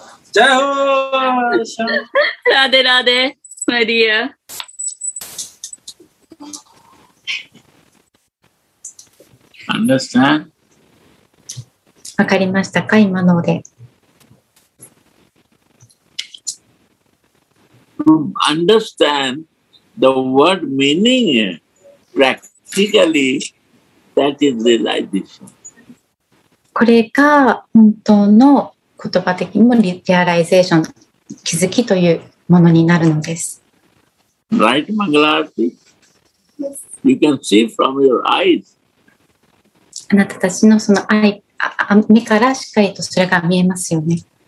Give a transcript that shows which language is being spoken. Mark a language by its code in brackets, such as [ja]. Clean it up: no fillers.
[ja] じゃあ、ラデラデ、マリア。 [en] Understand? [ja] わかりましたか、今ので。 [en] Understand the word meaning practically, that is realization. [ja] これが本当の言葉的にもリアライゼーション、気づきというものになるのです。 [en] Right, Mangalarti? You can see from your eyes. [ja] あなたたちのその目からしっかりとそれが見えますよね。